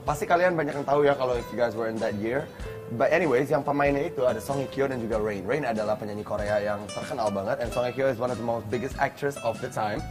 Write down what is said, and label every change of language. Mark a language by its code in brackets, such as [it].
[id] Pasti kalian banyak yang tahu ya kalau [en] if you guys were in that year. But anyways, [id] yang pemainnya itu ada Song Hye Kyo dan juga Rain. Rain adalah penyanyi Korea yang terkenal banget. [en] And Song Hye Kyo is one of the most biggest actress of the time.